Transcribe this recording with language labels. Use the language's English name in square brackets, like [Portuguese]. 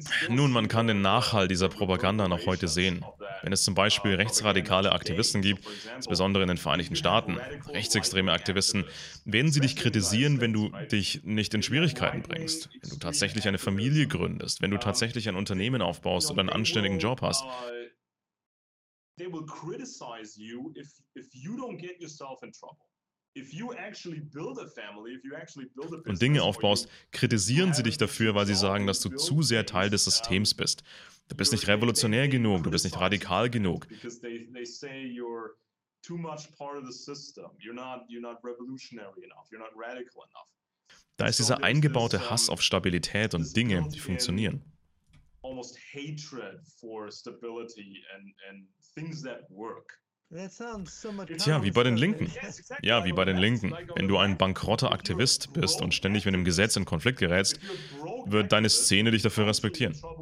[German] Nun, man kann den Nachhall dieser Propaganda noch heute sehen. Wenn es zum Beispiel rechtsradikale Aktivisten gibt, insbesondere in den Vereinigten Staaten, rechtsextreme Aktivisten, werden sie dich kritisieren, wenn du dich nicht in Schwierigkeiten bringst, wenn du tatsächlich eine Familie gründest, wenn du tatsächlich ein Unternehmen aufbaust oder einen anständigen Job hast. [English] They will criticize you if you don't get yourself in trouble. If you actually build a family, if you actually build a business, [German] und Dinge aufbaust, kritisieren sie dich dafür, weil sie sagen, dass du zu sehr Teil des Systems bist. Du bist nicht revolutionär genug, du bist nicht radikal genug. [English] Because they say you're too much part of the system. You're not revolutionary enough. You're not radical enough. [German] Da ist dieser eingebaute Hass auf Stabilität und Dinge, die funktionieren. [English] Almost hatred for stability and things that work. [German] Tja, wie bei den Linken. Ja, wie bei den Linken. Wenn du ein bankrotter Aktivist bist und ständig mit dem Gesetz in Konflikt gerätst, wird deine Szene dich dafür respektieren.